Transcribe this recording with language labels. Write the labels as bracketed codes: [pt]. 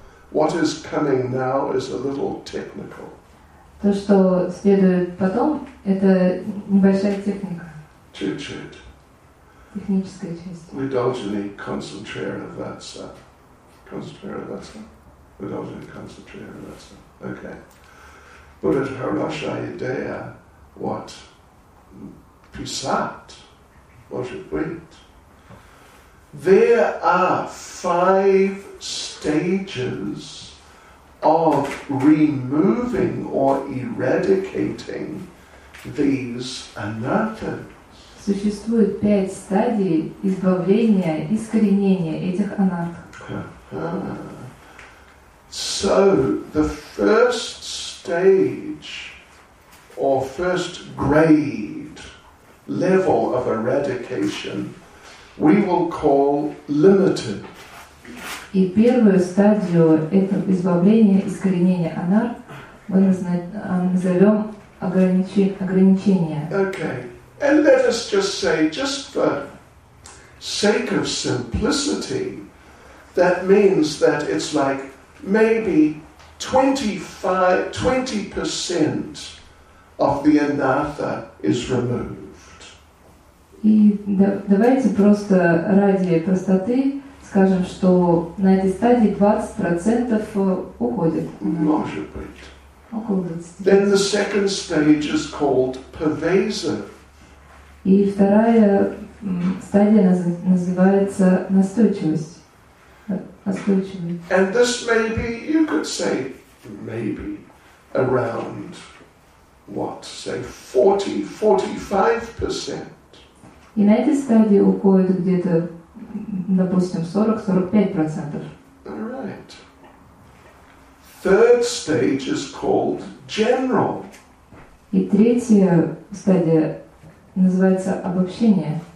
[en] What is coming now is a little technical. [ru] То, что следует потом, это небольшая техника. Чуть-чуть. Техническая часть. Vidaljani Concentrarivatsa. Concentrarivatsa. Vidaljani Concentrarivatsa. Okay. Buddha-harasha-idea, what? Pisat, what it went. [en] There are five stages of removing or eradicating these anarthas. [ru] Существует пять стадий избавления, искоренения этих анарт. [en] So, the first stage or first grade level of eradication we will call limited. [ru] И первую стадию этого избавления, искоренения анарт мы назовем ограничение. [en] Okay. And let us just say, just for sake of simplicity, that means that it's like maybe 20% of the anartha is removed. [ru] И давайте просто ради простоты скажем, что на этой стадии 20% уходит. Может быть. Около 20%. [en] Then the second stage is called pervasive. [ru] И вторая стадия называется настойчивость. [en] And this may be, you could say, maybe around what, say 40-45%. [ru] И на этой стадии уходит где-то, допустим, 40-45%. [en] All right. Third stage is called general. [ru] И третья стадия называется обобщение.